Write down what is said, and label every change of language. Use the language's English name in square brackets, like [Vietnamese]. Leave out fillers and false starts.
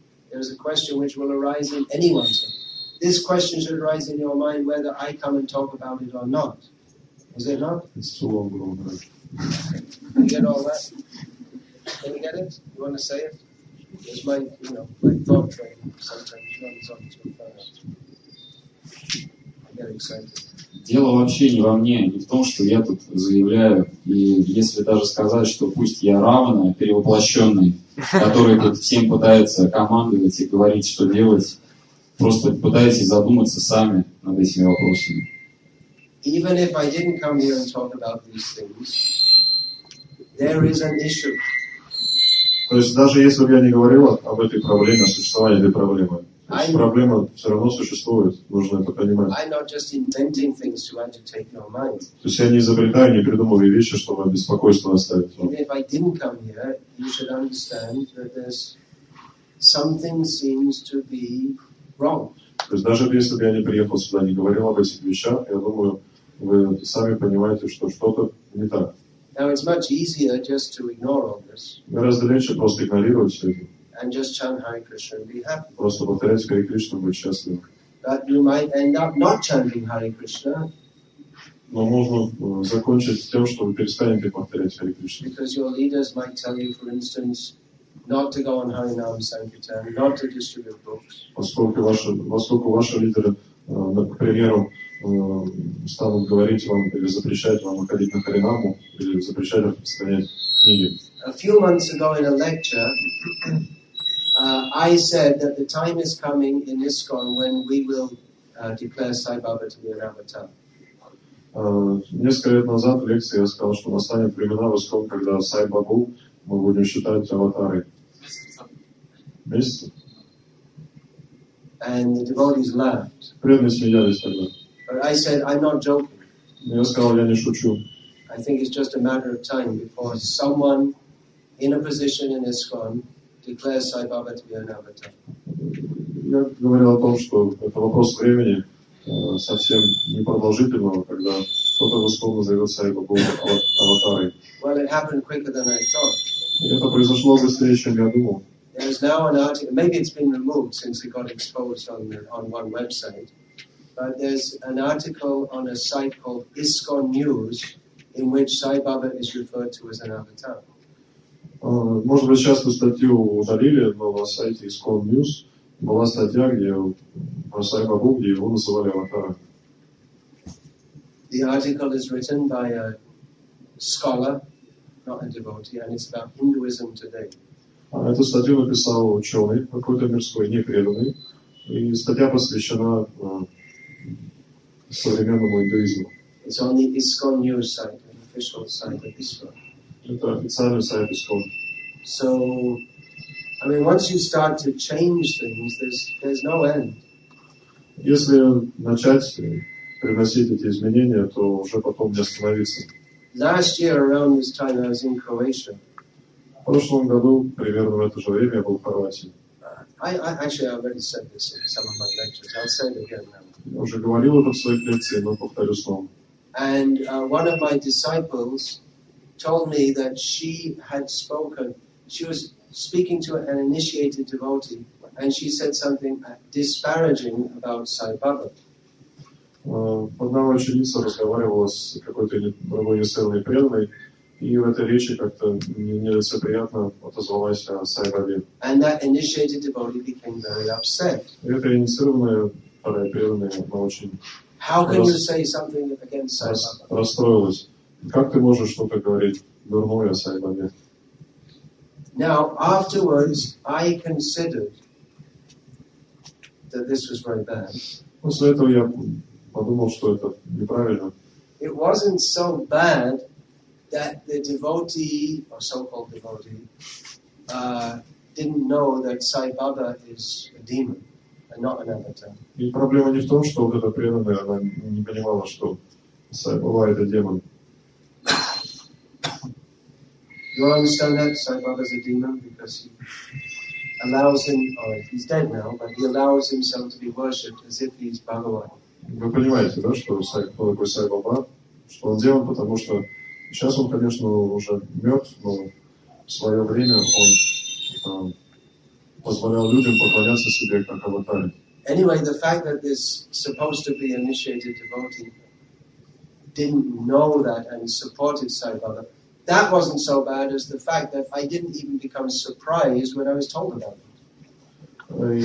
[English] There's a question which will arise in anyone's mind. This question should arise in your mind whether I come and talk about it or not. Is it not? It's too long, bro. You get all that? Can you get it? You want to say it? It's my, you know, my thought train sometimes runs on too fast. I get excited. [Russian] Дело вообще не во мне, не в том, что я тут заявляю. И если даже сказать, что пусть я Равана, перевоплощенный, который тут всем пытается командовать и говорить, что делать, просто пытаясь задуматься сами над этими вопросами. [English] Even if I didn't come here and talk about these things, there is an issue. [Russian] То есть даже если бы я не говорил об этой проблеме, о существовании этой проблемы, проблема все равно существует, нужно это понимать. [English] I'm not just inventing things to entertain your mind. [Russian] То есть я не изобретаю, не придумываю вещи, чтобы беспокойство оставить. [English] Even if I didn't come here, you should understand that there's something seems to be wrong. [Russian] То есть даже если бы я не приехал сюда, не говорил об этих вещах, я думаю, вы сами понимаете, что что-то не так. [English] Now it's much easier just to ignore all this. [Russian] Гораздо легче просто игнорировать все это. [English] And just chant Hare Krishna and be happy. [Russian] Просто повторять Хари Кришну, быть счастливым. [English] But you might end up not chanting Hare Krishna. [Russian] Но можно закончить с тем, что вы перестанете повторять Хари Кришну. [English] Because your leaders might tell you, for instance, not to go on Harinam Sankirtan, not to distribute books. [Russian] Поскольку ваши лидеры, например, станут говорить вам или запрещать вам выходить на Харинаму, или запрещать распространять книги. [English] A few months ago in a lecture, I said that the time is coming in ISKCON when we will declare Sai Baba to be an avatar. [Russian] Несколько лет назад в лекции я сказал, что настанет времена в ISKCON, когда Сай Бабу мы будем считать аватарой. Месяца. [English] And the devotees laughed. [Russian] Преданные смеялись тогда. [English] But I said, I'm not joking. [Russian] Я сказал, я не шучу. [English] I think it's just a matter of time before someone in a position in ISKCON declare Sai Baba to be an avatar. [Russian] Я говорил о том, что это вопрос времени, совсем непродолжительного, когда кто-то условно зовет Сай Бабу аватарой. [English] Well, it happened quicker than I thought. [Russian] Это произошло быстрее, чем я думал. [English] There is now an article, maybe it's been removed since it got exposed on one website, but there's an article on a site called ISKCON News in which Sai Baba is referred to as an avatar. [Russian] Может быть, сейчас вы статью удалили, но на сайте ISKCON News была статья, где про Сай Бабу, где его называли аватаром. [English] The article is written by a scholar, not a devotee, and it's about Hinduism today. [Russian] Эту статью написал ученый, какой-то мирской, непреданный, и статья посвящена современному индуизму. [English] It's on the ISKCON News site, an official site of ISKCON. [Russian] Это официальный сайт ISKCON. [English] So, I mean, once you start to change things, there's no end. [Russian] Если начать приносить эти изменения, то уже потом не остановиться. [English] Last year, around this time, I was in Croatia. [Russian] В прошлом году, примерно в это же время, я был в Хорватии. [English] Actually, I already said this in some of my lectures. I'll say it again now. [Russian] Я уже говорил это в своих лекциях, но повторю снова. [English] And one of my disciples told me that she had spoken, she was speaking to an initiated devotee, and she said something disparaging about Sai Baba. [Russian] Одна ученица разговаривала с какой-то другой несовершенной преданной, и в этой речи как-то нелицеприятно отозвалась о Сай Бабе. And that initiated devotee became very upset. Эта инициированная преданная была очень расстроилась. [English] How can you say something against Sai Baba? [Russian] Расстроилась. Как ты можешь что-то говорить дурное о Сай Бабе? [English] Now, afterwards, I considered that this was very bad. [Russian] После этого я подумал, что это неправильно. [English] It wasn't so bad that the devotee, or so-called devotee, didn't know that Sai Baba is a demon and not an avatar. [Russian] И проблема не в том, что вот эта преданная, она не понимала, что Сай Баба это демон. [English] You understand that Sai Baba is a demon because he allows him, or he's dead now, but he allows himself to be worshipped as if he's Bhagavan. [Russian] Вы понимаете, да, что такое Сай Баба, что он делал, потому что сейчас он, конечно, уже мертв, но в свое время он позволял людям поклоняться себе как аватаре. [English] Anyway, the fact that this supposed to be initiated devotee didn't know that and supported Sai Baba, that wasn't so bad as the fact that I didn't even become surprised when I was told about it.